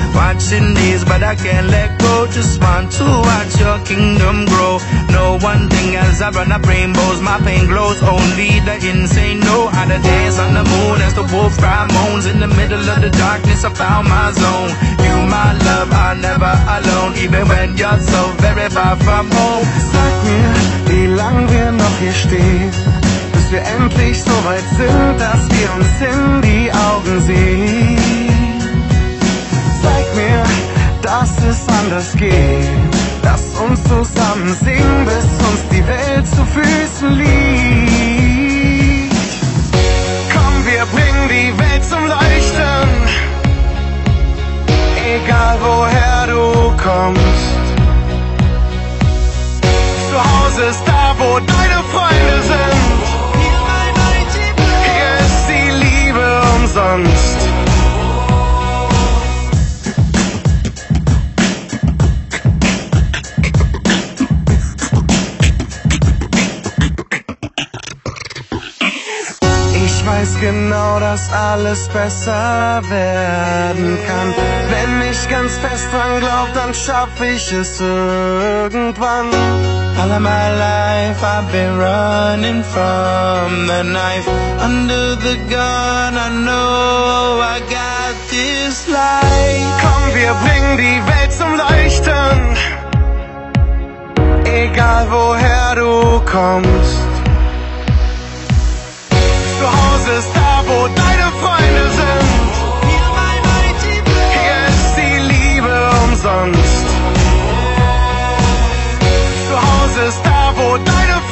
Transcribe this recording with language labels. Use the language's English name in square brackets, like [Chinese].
[English] Watching this, but I can't let go. Just want to watch your kingdom grow. No one thing as I run up rainbows. My pain glows, only the insane know. How the days on the moon as the wolf cry moans. In the middle of the darkness I found my zone. You my love, I'm never alone. Even when you're so very far from home. [German] Sag mir, wie lang wir noch hier stehen. Bis wir endlich so weit sind, dass wir uns in die Augen sehen. Zeig mir, dass es anders geht. Lass uns zusammen singen, bis uns die Welt zu Füßen liegt. Komm, wir bringen die Welt zum Leuchten. Egal woher du kommst. Zuhause ist da, wo deine Freunde sind. Hier ist die Liebe umsonst. Ich weiß genau, dass alles besser werden kann. Wenn ich ganz fest dran glaub, dann schaff ich es irgendwann. [English] All of my life I've been running from the knife. Under the gun I know I got this light. [German] Komm, wir bringen die Welt zum Leuchten. Egal woher du kommst. Zu Hause ist da, wo deine Freunde sind. Hier ist die Liebe umsonst. Ist da, wo deine